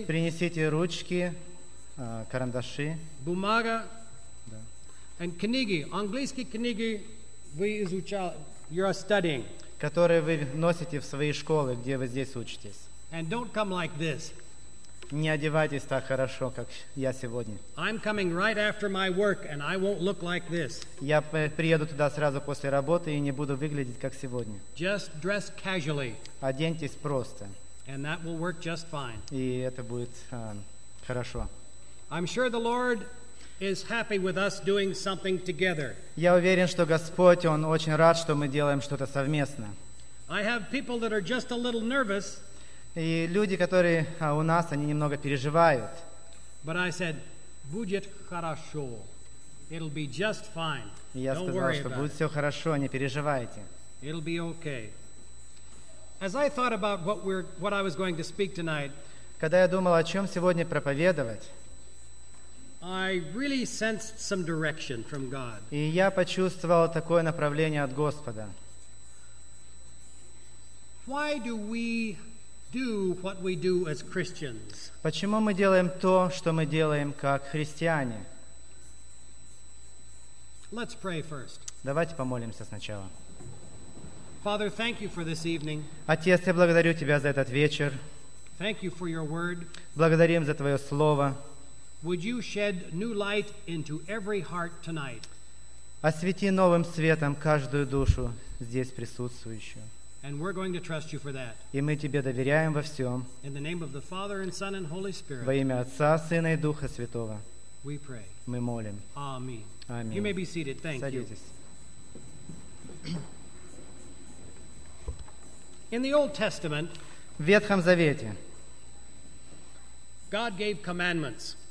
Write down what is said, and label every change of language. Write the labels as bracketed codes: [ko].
[ru] Принесите ручки, карандаши. Бумага. Да. And книги, английские книги вы изучали, [en] you are studying. [ru] Которые вы носите в свои школы, где вы здесь учитесь. [en] And don't come like this. [ru] Не одевайтесь так хорошо, как я сегодня. [en] I'm coming right after my work, and I won't look like this. [ru] Я приеду туда сразу после работы и не буду выглядеть как сегодня. [en] Just dress casually. [ru] Оденьтесь просто. [en] And that will work just fine. [ru] И это будет хорошо. [en] I'm sure the Lord is happy with us doing something together. [ru] Я уверен, что Господь, Он очень рад, что мы делаем что-то совместно. [en] I have people that are just a little nervous. [ru] И люди, которые у нас, они немного переживают. [en] But I said, [ru] будет хорошо. [en] It'll be just fine. [ru] И я сказал, что будет все хорошо, не переживайте. [en] It'll be okay. As I thought about what I was going to speak tonight, [ru] когда я думал, о чем сегодня проповедовать, [en] I really sensed some direction from God. [ru] И я почувствовал такое направление от Господа. [en] Why do we do what we do as Christians? [ru] Почему мы делаем то, что мы делаем как христиане? [en] Let's pray first. [ru] Давайте помолимся сначала. [en] Father, thank you for this evening. [ru] Отец, я благодарю тебя за этот вечер. [en] Thank you for your word. [ru] Благодарим за твое слово. [en] Would you shed new light into every heart tonight? [ru] Освети новым светом каждую душу здесь присутствующую. [en] And we're going to trust you for that. [ru] И мы тебе доверяем во всем. [en] In the name of the Father and Son and Holy Spirit. [ru] Во имя Отца, Сына и Духа Святого. [en] We pray. [ru] Мы молим. [en] Amen. Amen. You may be seated. Thank [ru] Садитесь. [en] You. [ru] Садитесь. [en] In the Old Testament. [ru] В Ветхом Завете. [en] God gave commandments.